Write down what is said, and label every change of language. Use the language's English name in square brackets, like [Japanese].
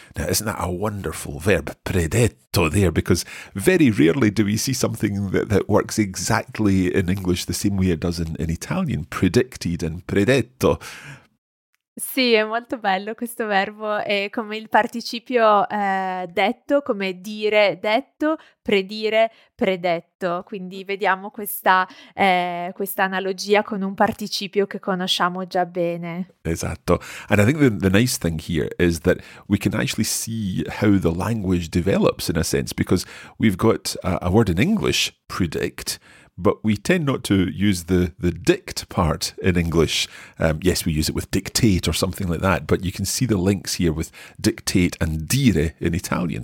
[English] Now, isn't that a wonderful verb, predetto, there? Because very rarely do we see something that works exactly in English the same way it does in Italian, predicted and predetto. [Italian] Sì, è molto bello questo verbo, è come il participio detto, come dire detto, predire predetto, quindi vediamo questa analogia con un participio che conosciamo già bene. [English] Esatto, and I think the nice thing here is that we can actually see how the language develops in a sense, because we've got a word in English, predict, but we tend not to use the dict part in English. Yes, we use it with dictate or something like that, but you can see the links here with dictate and dire in Italian.